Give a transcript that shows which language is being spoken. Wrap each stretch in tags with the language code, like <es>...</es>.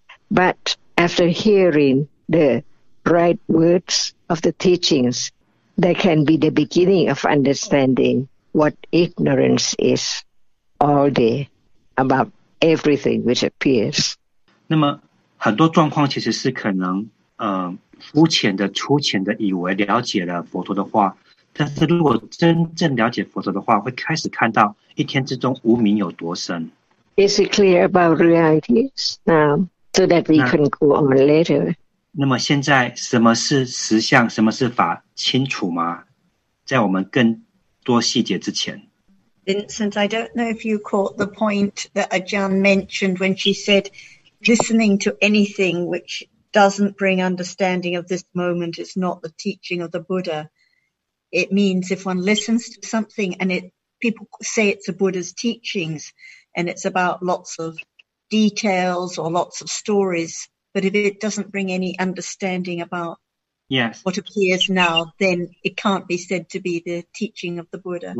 <en>But after hearing the right words of the teachings, there can be the beginning of understanding what ignorance is all day about everything which appears.</en> <zh>那么很多状况其实是可能肤浅的粗浅的以为了解了佛陀的话，但是如果真正了解佛陀的话，会开始看到一天之中无明有多深。</zh> <en>Is it clear about realities now so that we can go on later?</en> <zh>那么现在什么是实相，什么是法，清楚吗？在我们更多细节之前。</zh> <en>Vincent, I don't know if you caught the point that Ajahn mentioned when she said listening to anything which doesn't bring understanding of this moment is not the teaching of the Buddha. It means if one listens to something and people say it's a Buddha's teachings and it's about lots of details or lots of stories, but if it doesn't bring any understanding about what appears now, then it can't be said to be the teaching of the Buddha.</en>